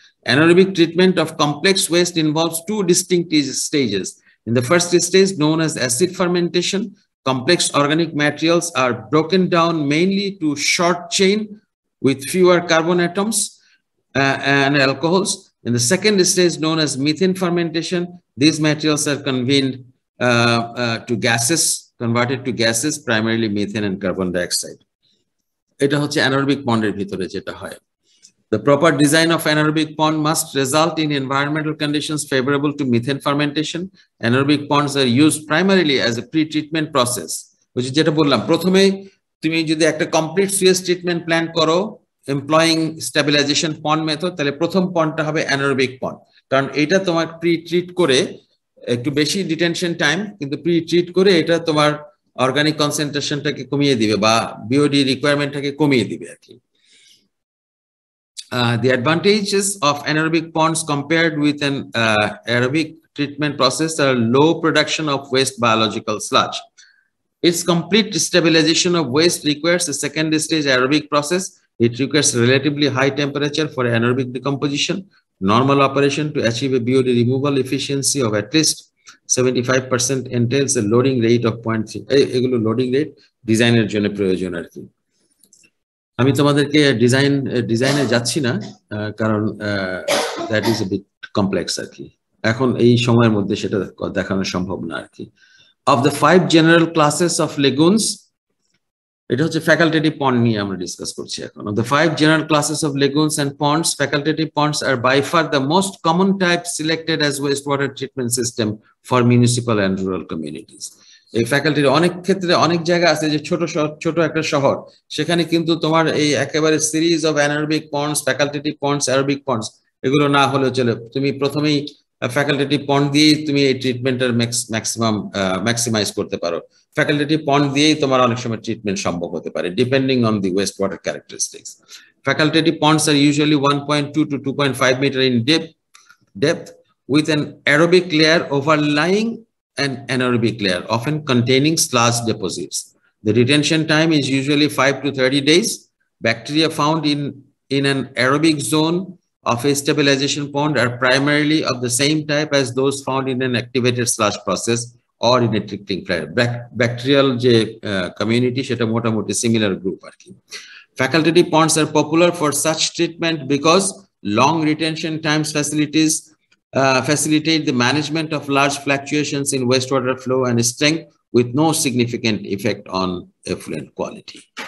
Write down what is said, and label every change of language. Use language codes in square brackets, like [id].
[en] Anaerobic treatment of complex waste involves two distinct stages in the first stage known as acid fermentation complex organic materials are broken down mainly to short chain with fewer carbon atoms and alcohols. In the second stage known as methane fermentation, these materials are convened to gases, converted to gases, primarily methane and carbon dioxide. [bn] Eta hoche anaerobic pond er bhitore jeta hoy. [en] The proper design of anaerobic pond must result in environmental conditions favorable to methane fermentation. Anaerobic ponds are used primarily as a pre-treatment process. Which is [bn] jeta bollam. Prothome তুমি যদি একটা complete Suez treatment plan করো employing stabilisation পন্ড method তাহলে প্রথম পন্ডটা হবে anaerobic পন্ড কারণ এটা তোমার প্রি ট্রিট করে একটু বেশি ডিটেনশন টাইম কিন্তু প্রি ট্রিট করে এটা তোমার অর্গানিক কনসেন্ট্রেশনটাকে কমিয়ে দিবে বা বিওডি রিকোয়ারমেন্টটাকে কমিয়ে দিবে আর কি [en] The advantages of anaerobic ponds compared with an aerobic treatment process are low production of waste biological sludge Its complete stabilization of waste requires a second stage aerobic process. It requires relatively high temperature for anaerobic decomposition. Normal operation to achieve a BOD removal efficiency of at least 75% entails a loading rate of 0.3. [bn] এগুলো loading rate ডিজাইনের জন্য প্রয়োজন আর কি আমি তোমাদেরকে design ডিজাইনে যাচ্ছি না কারণ [en] that is a bit complex [bn] আর কি এখন এই সময়ের মধ্যে সেটা দেখানো সম্ভব না আর কি [en] Of the five general classes of lagoons, it was a facultative pond [bn] niye amra discuss korchi ekhon. [en] Of the five general classes of lagoons and ponds, facultative ponds are by far the most common type selected as wastewater treatment system for municipal and rural communities. [bn] এই ফ্যাকাল্টির অনেক ক্ষেত্রে অনেক জায়গা আছে যে ছোট ছোট একটা শহর সেখানে কিন্তু তোমার এই একেবারে series of anaerobic ponds facultative ponds aerobic ponds এগুলো না হলেও চলে তুমি প্রথমেই ফ্যাকাল্টেটিভ পন্ড দিয়েই তুমি এই ট্রিটমেন্টের ম্যাক্সিমাম ম্যাক্সিমাইজ করতে পারো ফ্যাকাল্টেটিভ পন্ড দিয়েই তোমার অনেক সময় ট্রিটমেন্ট সম্ভব হতে পারে [en] Depending on the waste water characteristics facultative ponds are usually 1.2 to 2.5 metre in depth with an aerobic layer overlying an anaerobic layer often containing sludge deposits the retention time is usually 5 to 30 days bacteria found in in an aerobic zone of a stabilization pond are primarily of the same type as those found in an activated sludge process or in a treating plant. [bn] Bacterial je, community, sheta mota moti similar group. Arki. [en] Facultative ponds are popular for such treatment because long retention times facilities facilitate the management of large fluctuations in wastewater flow and strength with no significant effect on effluent quality.